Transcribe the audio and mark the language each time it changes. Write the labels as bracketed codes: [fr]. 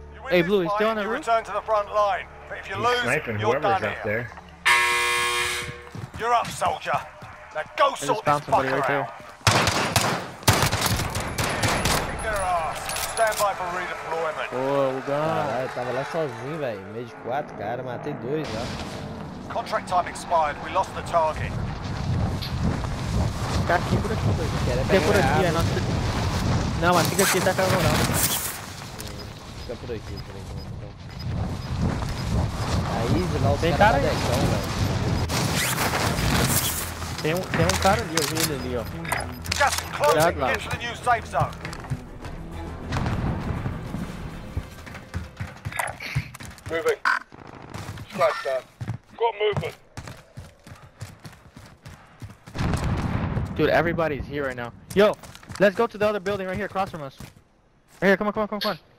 [en] Hey Blue, he's still on the roof. Return to the front line. But if you lose, you're done here. Up there. You're up, soldier. Now go I sort this fucker right There. Kick their ass. Stand by for redeployment. [pt] Oh, I tava lá sozinho, velho. Meio de quatro, cara. Matei dois lá. Contract time expired. We lost the target. Fica aqui por aqui, velho. Fica por aqui, é nosso. Não, mas fica aqui, tá caro não. Por aqui, por aí, lá, tem cara aí. Dezão, tem um cara ali, eu vi ele ali, ó. [en] Just closing into the new safe zone. Moving. Scratch that. Got movement. Dude, everybody's here right now. Yo, let's go to the other building right here, across from us. Right here, come on, come on, come on.